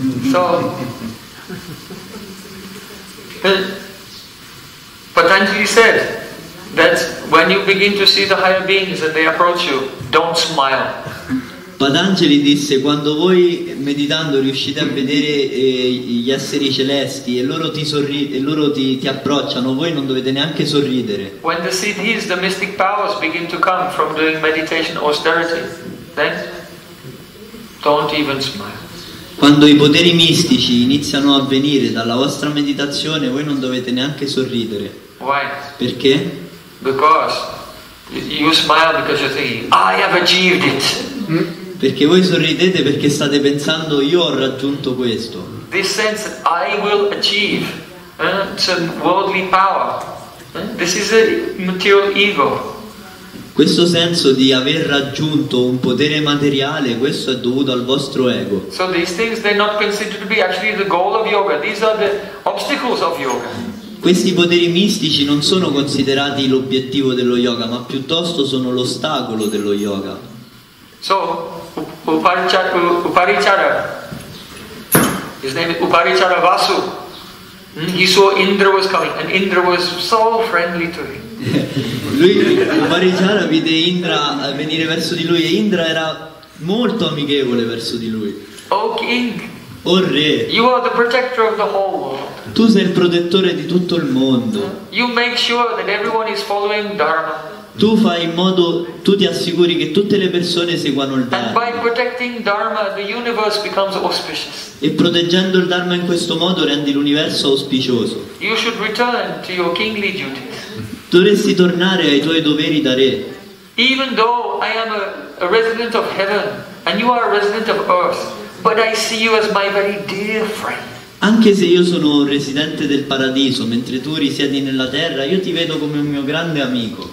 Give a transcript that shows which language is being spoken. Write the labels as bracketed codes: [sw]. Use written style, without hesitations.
[en] So Patanjali said that when you begin to see the higher beings and they approach you, don't smile. [it] Patanjali disse quando voi meditando riuscite a vedere gli esseri celesti e loro ti approcciano, voi non dovete neanche sorridere. [en] When the siddhis, the mystic powers begin to come from doing meditation austerity, then don't even smile. [it] Quando i poteri mistici iniziano a venire dalla vostra meditazione, voi non dovete neanche sorridere. [en] Why? [it] Perché? [en] Because you smile because you think I have achieved it. [it] Perché voi sorridete perché state pensando io ho raggiunto questo. [en] This sense I will achieve some worldly power. This is a material ego. [it] Questo senso di aver raggiunto un potere materiale, questo è dovuto al vostro ego. [en] So these things they're not considered to be actually the goal of yoga. These are the obstacles of yoga. [it] Questi poteri mistici non sono considerati l'obiettivo dello yoga, ma piuttosto sono l'ostacolo dello yoga. [en] So Uparichara His name is Uparichara Vasu. He saw Indra was coming, and Indra was so friendly to him. [it] Lui, Uparichara, vide Indra venire verso di lui, e Indra era molto amichevole verso di lui. [en] Oh King, [it] oh re, [en] you are the protector of the whole world. [it] Tu sei il protettore di tutto il mondo. [en] You make sure that everyone is following Dharma. [it] Tu fai in modo, tu ti assicuri che tutte le persone seguano il Dharma. [en] And by protecting Dharma, the universe becomes auspicious. [it] E proteggendo il Dharma in questo modo rendi l'universo auspicioso. [en] You should return to your kingly duties. [it] Dovresti tornare ai tuoi doveri da re. [en] Even though I am a resident of heaven and you are a resident of earth, but I see you as my very dear friend. [it] Anche se io sono un residente del paradiso, mentre tu risiedi nella terra, io ti vedo come un mio grande amico.